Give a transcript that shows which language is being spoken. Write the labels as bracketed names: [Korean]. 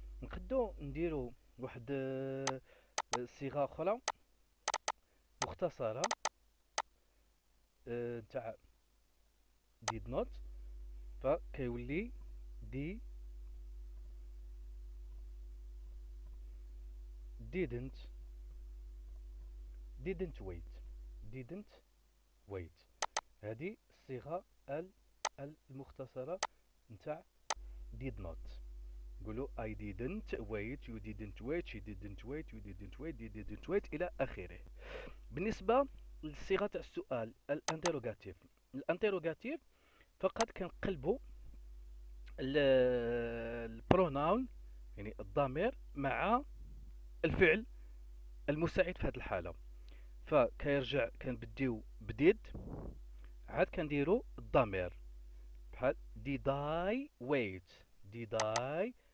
[Arabic] نقدو نديرو واحد صيغة أخرى مختصرة تاع did not، فكيولي دي [English] didn't wait didn't wait. [Arabic] هذه الصيغة المختصرة نتاع did not. قولوا [English] I didn't wait, you didn't wait, she didn't wait, you didn't wait, they didn't wait [Arabic] إلى آخره. بالنسبة للصيغة تاع السؤال الانتروغاتيف، الانتروغاتيف فقط كنقلبوا البروناون يعني الضمير مع الفعل المساعد في هذه الحالة، فكيرجع كنبديو بديد عاد كنديرو الضمير بحال [English] did I wait, did I